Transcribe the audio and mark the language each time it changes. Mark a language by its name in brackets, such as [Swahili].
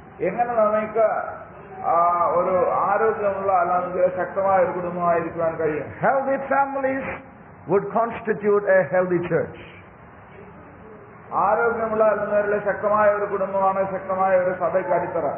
[Malayalam] എങ്ങനെ നമുക്ക് ഒരു ആരോഗ്യമുള്ള അല്ലെങ്കിൽ ശക്തമായ ഒരു കുടുംബമായിരിക്കാൻ കഴിയും? [English] Healthy families would constitute a healthy church. [Malayalam] ആരോഗ്യമുള്ള അല്ലെങ്കിൽ ശക്തമായ ഒരു കുടുംബമാണ് ശക്തമായ ഒരു സഭയ്ക്ക് അടിത്തറ.